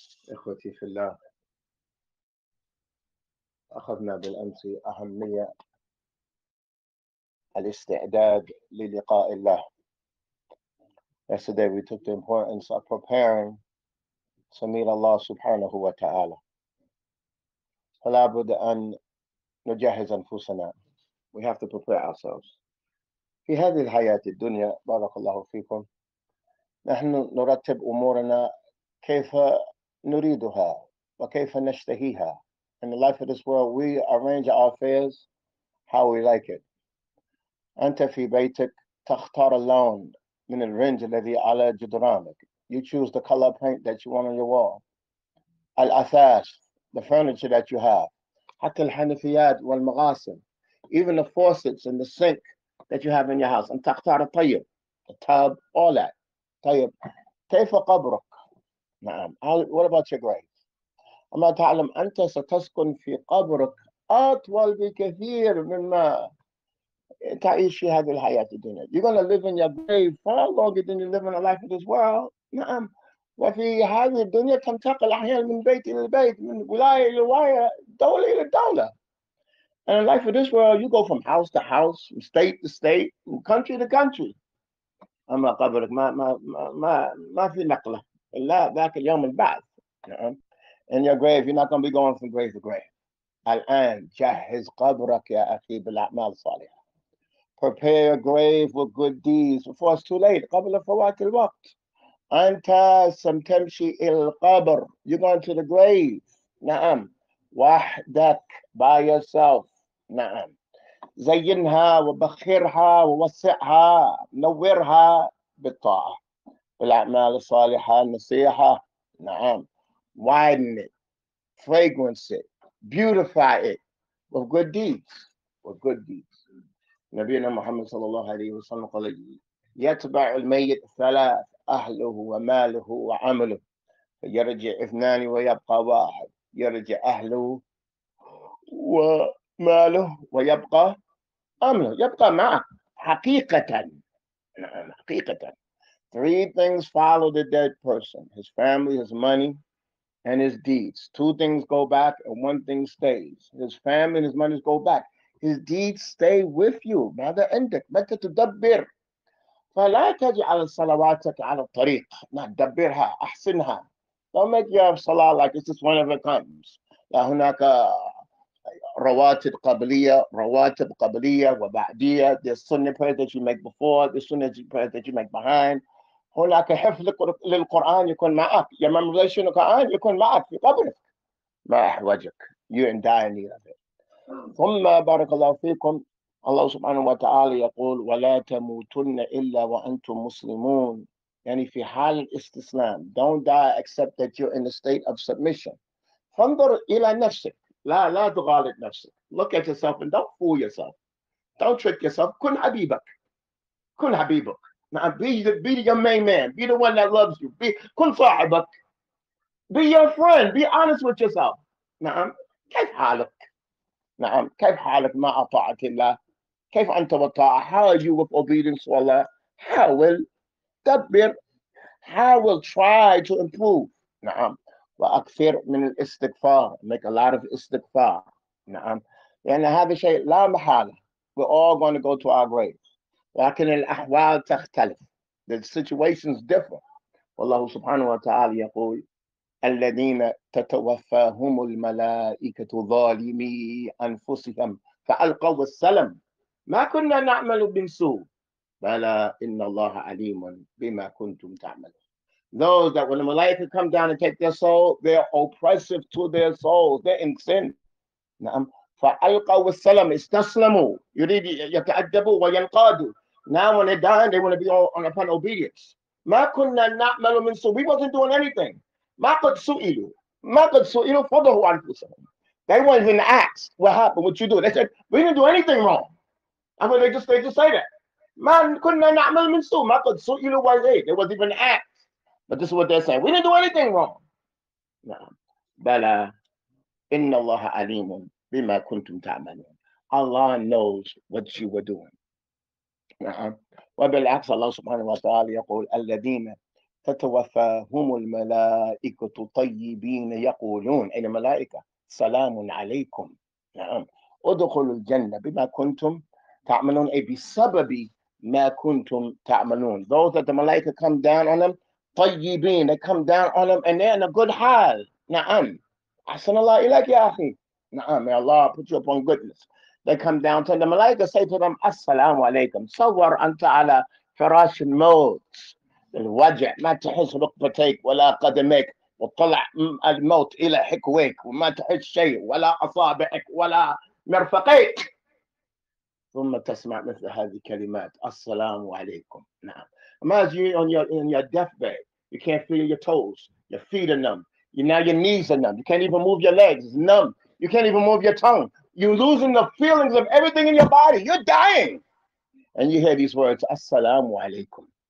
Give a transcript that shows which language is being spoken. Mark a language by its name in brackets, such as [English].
[Arabic] إخوتي في الله، أخذنا بالأمس أهمية الاستعداد للقاء الله. [English] Yesterday we took the importance of preparing to meet Allah [Arabic] سبحانه وتعالى. فلا بد أن نجهز أنفسنا. [English] We have to prepare ourselves. [Arabic] في هذه الحياة الدنيا، بارك الله فيكم، نحن نرتب أمورنا كيف نريدها وكيف نشتهيها. [English] In the life of this world, we arrange our affairs how we like it. [Arabic] أنت في بيتك تختار اللون من الرنج الذي على جدرانك. [English] You choose the color paint that you want on your wall. الأثاث, the furniture that you have. [Arabic] حتى الحنفيات والمغاسل. [English] Even the faucets and the sink that you have in your house. [Arabic] أنت تختار الطيب, [English] the tub, all that. [Arabic] طيب كيف قبرك؟ نعم. [English] What about your grave؟ [Arabic] أما تعلم أنت ستسكن في قبرك أطول بكثير مما تعيش في هذه الحياة الدنيا. [English] You're gonna live in your grave far longer than you live in the life of this world. [Arabic] نعم. وفي هذه الدنيا تنتقل أحيانا من بيت إلى بيت، من ولاية إلى ولاية، دولة إلى دولة. [English] And in the life of this world, you go from house to house, from state to state, from country to country. [Arabic] أما قبرك ما ما ما ما في نقلة إلا ذاك اليوم البعث. نعم. [English] In your grave, you're not going to be going from grave to grave. [Arabic] الآن جهز قبرك يا أخي بالأعمال الصالحة. [English] Prepare your grave with good deeds before it's too late. [Arabic] قبل فوات الوقت. أنت ستمشي إلى القبر. [English] You're going to the grave. [Arabic] نعم. وحدك [English] by yourself. [Arabic] نعم. زينها وبخرها ووسعها، نورها بالطاعة بالأعمال الصالحة النصيحة. نعم. [English] Widen it, fragrance it, beautify it with good deeds, with good deeds. [Arabic] نبينا محمد صلى الله عليه وسلم قال: يتبع الميت ثلاث، أهله وماله وعمله. يرجع اثنان ويبقى واحد، يرجع أهله وماله ويبقى أمله، يبقى معه حقيقة. نعم، حقيقة. [English] Three things follow the dead person: his family, his money, and his deeds. Two things go back and one thing stays. His family and his money go back. His deeds stay with you. [Arabic] ماذا عندك؟ متى تدبر؟ فلا تجعل صلواتك على الطريق. نعم، دبرها، أحسنها. [English] Don't make your salah like it's just whenever it comes. [Arabic] لا، هناك رواتب قبلية، رواتب قبلية وبعدية. [English] There's sunnah prayers that you make before, there's sunnah prayers that you make behind. [Arabic] هناك حفظ للقرآن يكون معك. [English] Your memorization of the Quran [Arabic] يكون معك في قبلك. ما أحوجك. [English] You're in dire need of it. [Arabic] ثم بارك الله فيكم، الله سبحانه وتعالى يقول: وَلَا تَمُوتُنَّ إِلَّا وَأَنْتُمْ مُسْلِمُونَ. يعني في حال الاستسلام. [English] Don't die except that you're in a state of submission. [Arabic] فانظر إلى نفسك. لا لا تغالط نفسك. [English] Look at yourself and don't fool yourself. Don't trick yourself. [Arabic] كن حبيبك. كن حبيبك. [English] Now be your main man. Be the one that loves you. [Arabic] كن صاحبك. [English] Be your friend. Be honest with yourself. [Arabic] نعم. كيف حالك؟ نعم. كيف حالك مع طاعة الله؟ كيف أنت بطاعة؟ [English] How are you with obedience to Allah؟ [Arabic] حاول دبر. حاول [English] try to improve. [Arabic] نعم. وأكثر من الاستغفار. [English] Make a lot of استغفار. [Arabic] نعم. لأن هذا شيء لا محالة. [English] We're all going to go to our graves. [Arabic] لكن الأحوال تختلف. [English] The situations differ. [Arabic] والله سبحانه وتعالى يقول: الذين تتوفاهم الملائكة ظالمي أنفسهم فألقوا السلم ما كنا نعمل من سوء بلى إن الله عليم بما كنتم تعملون. [English] Those that when the malaika come down and take their soul, they're oppressive to their souls. They're in sin. [Arabic] نعم. فألقوا السلم استسلموا. يريد يتأدبوا وينقادوا. [English] Now when they're dying, they want to be all upon obedience. [Arabic] ما كنا نعمل من سوء. [English] We wasn't doing anything. [Arabic] ما قد سئلوا. ما قد سئلوا فضلوا أنفسهم. [English] They weren't even asked what happened, what you do. They said, we didn't do anything wrong. And when they just say that. [Arabic] ما كنا نعمل من سوء. ما قد سئلوا ولا شيء. [English] They wasn't even asked. But this is what they're saying. We didn't do anything wrong. [Arabic] نعم. بلى. إن الله عليم بما كنتم تعملون. [English] Allah knows what you were doing. [Arabic] نعم. وبالعكس الله سبحانه وتعالى يقول: الذين تتوفاهم الملائكة طيبين يقولون، أي الملائكة، سلام عليكم، نعم، ادخلوا الجنة بما كنتم تعملون، أي بسبب ما كنتم تعملون. [English] Those that the ملائكة come down on them [Arabic] طيبين، [English] they come down on them and they're in a good hal. [Arabic] نعم، أحسن الله إليك يا أخي، نعم، [English] may Allah put you upon goodness. They come down to them. The ملائكة say to them, [Arabic] السلام عليكم. صور أنت على فراش الموت، الوجع، ما تحس ركبتيك ولا قدميك، وطلع الموت إلى حكويك وما تحس شيء ولا أصابعك ولا مرفقيك. ثم تسمع مثل هذه الكلمات، السلام عليكم. نعم. [English] Imagine you on your deathbed. You can't feel your toes. Your feet are numb. Now your knees are numb. You can't even move your legs. It's numb. You can't even move your tongue. You're losing the feelings of everything in your body. You're dying. And you hear these words, [Arabic] السلام عليكم.